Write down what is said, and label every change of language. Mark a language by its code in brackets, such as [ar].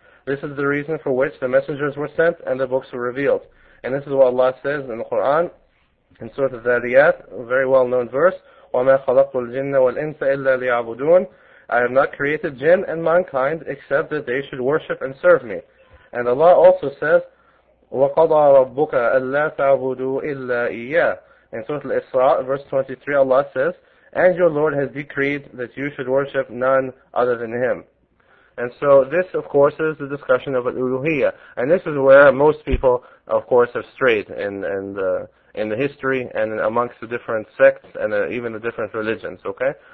[en] This is the reason for which the messengers were sent and the books were revealed. And this is what Allah says in the Quran, in Surah Al-Zariyat, a very well known verse, [ar] وَمَا خَلَقْتُ الْجِنَّ وَالْإِنْسَ إِلَّا لِيَعْبُدُونَ. [en] I have not created jinn and mankind except that they should worship and serve me. And Allah also says, [ar] وَقَضَى رَبُّكَ أَلَّا تَعْبُدُوا إِلَّا إِيَّا. [en] In Surah Al-Isra, verse 23, Allah says, and your Lord has decreed that you should worship none other than Him. And so this, of course, is the discussion of al-Uluhiyyah. And this is where most people, of course, have strayed in the history and amongst the different sects and even the different religions, okay?